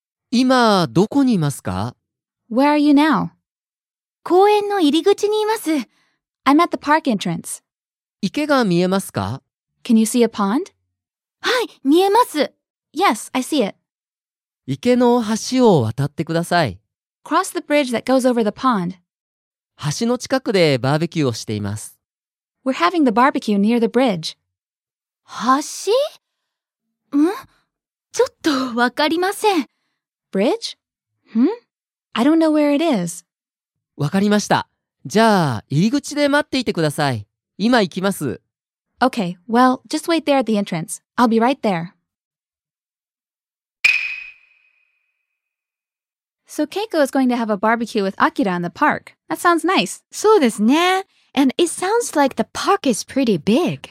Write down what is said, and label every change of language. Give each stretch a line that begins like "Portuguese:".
Japanese: 今、どこにいますか？
English: Where are you now?
Japanese: 公園の入り口にいます。
English: I'm at the park entrance.
Japanese: 池が見えますか？
English: Can you see a pond?
Japanese: はい、見えます。
English: Yes, I see it.
Japanese: 池の橋を渡ってください。
English: Cross the bridge that goes over the pond.
Japanese: 橋の近くでバーベキューをしています。
English: We're having the barbecue near the bridge.
Japanese: 橋？ん？ちょっとわかりません。
English: Bridge? Hmm? I don't know where it is.
Japanese: わかりました。じゃあ、入り口で待っていてください。今行きます。
English: Okay, well, just wait there at the entrance. I'll be right there. So Keiko is going to have a barbecue with Akira in the park. That sounds nice. そうですね。 And it sounds like the park is pretty big.